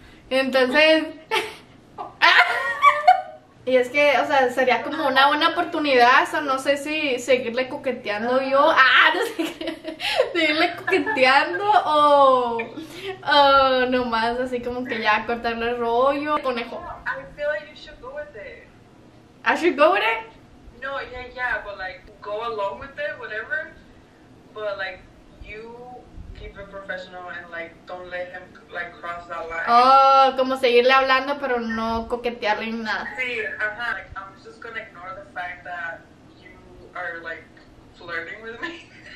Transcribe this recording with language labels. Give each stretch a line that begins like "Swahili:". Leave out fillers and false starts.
Spanish: Entonces, y es que, o sea, sería como una buena oportunidad, o sea, no sé si seguirle coqueteando yo, seguirle coqueteando o nomás así como que ya cortarle el rollo, conejo.
English: I feel like you should go with it. I should go with it? No, yeah, yeah, but like, go along with it, whatever, but like, you... Keep it professional and like don't let him like cross that line.
Spanish: Oh, como seguirle hablando pero no coquetearle ni nada. Sí, ajá.
English: Like, I'm just gonna ignore the fact that you are like flirting with me.